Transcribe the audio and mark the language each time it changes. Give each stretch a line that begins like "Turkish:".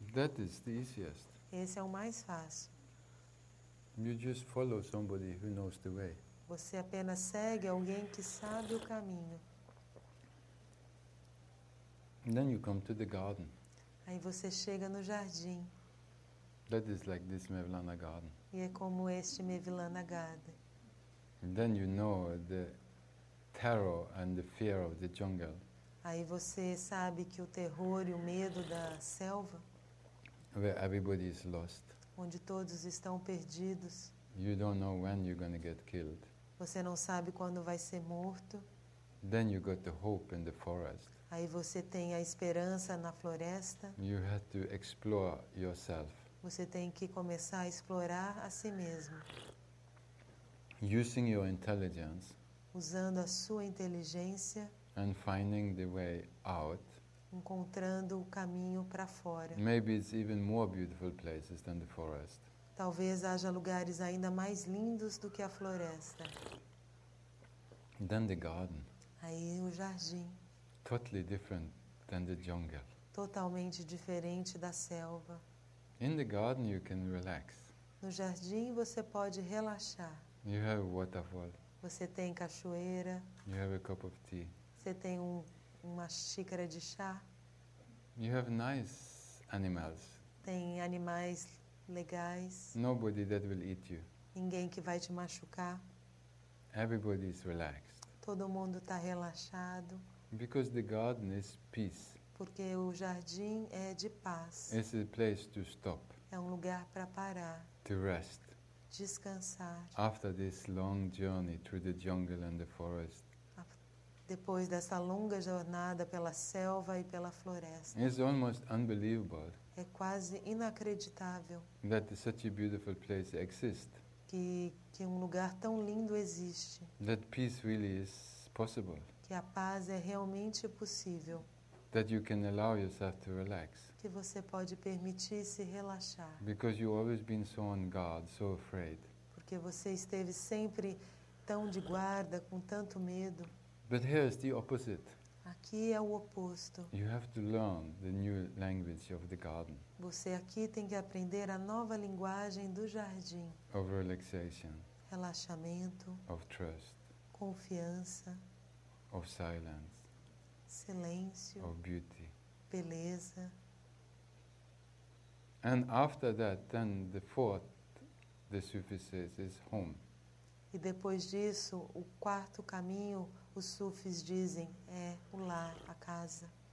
English: That is the easiest.
Portuguese: Esse é o mais fácil.
English: You just follow somebody who knows the way.
Portuguese: Você apenas segue alguém que sabe o caminho.
English: And then you come to the garden.
Portuguese: Aí você chega no jardim.
English: That is like this Mevlana garden.
Portuguese: E é como este Mevlana garden.
English: And then you know the terror and the fear of the jungle.
Portuguese: Aí você sabe que o terror e o medo da selva.
English: Where everybody is lost.
Portuguese: Onde todos estão perdidos.
English: You don't know when you're going to get killed.
Portuguese: Você não sabe quando vai ser morto.
English: Then you got the hope in the forest.
Portuguese: Aí você tem a esperança na floresta.
English: You have to explore yourself.
Portuguese: Você tem que começar a explorar a si mesmo.
English: Using your intelligence.
Portuguese: Usando a sua inteligência.
English: And finding the way out.
Portuguese: Encontrando o caminho para fora.
English: Maybe it's even more beautiful places than the forest.
Portuguese: Talvez haja lugares ainda mais lindos do que a floresta.
English: Then the garden.
Portuguese: Aí o jardim.
English: Totally different than the jungle.
Portuguese: Totalmente diferente da selva.
English: In the garden you can relax.
Portuguese: No jardim você pode relaxar.
English: You have a waterfall.
Portuguese: Você tem cachoeira.
English: You have a cup of tea.
Portuguese: Você tem uma xícara de chá.
English: You have nice animals.
Portuguese: Tem animais legais.
English: Nobody that will eat you.
Portuguese: Ninguém que vai te machucar.
English: Everybody is relaxed.
Portuguese: Todo mundo está relaxado.
English: Because the garden is peace.
Portuguese: Porque o jardim é de paz.
English: It's a place to stop.
Portuguese: É um lugar para parar.
English: To rest.
Portuguese: Descansar.
English: After this long journey through the jungle and the forest.
Portuguese: Depois dessa longa jornada pela selva e pela floresta.
English: It's almost unbelievable.
Portuguese: É quase inacreditável.
English: That such a beautiful place exists.
Portuguese: Que um lugar tão lindo existe.
English: That peace really is possible.
Portuguese: Que a paz é realmente possível.
English: That you can allow yourself to relax.
Portuguese: Que você pode permitir se relaxar.
English: Because you've always been so on guard, so afraid.
Portuguese: Porque você esteve sempre tão de guarda, com tanto medo.
English: But here is the opposite.
Portuguese: Aqui é o oposto.
English: You have to learn the new language of the garden.
Portuguese: Você aqui tem que aprender a nova linguagem do jardim.
English: Of relaxation.
Portuguese: Relaxamento.
English: Of trust.
Portuguese: Confiança.
English: Of silence.
Portuguese: Silêncio.
English: Of beauty.
Portuguese: Beleza.
English: And after that, then the fourth, the Sufi says, is home.
Portuguese: E depois disso, o quarto caminho, os Sufis dizem, é o lar, a casa.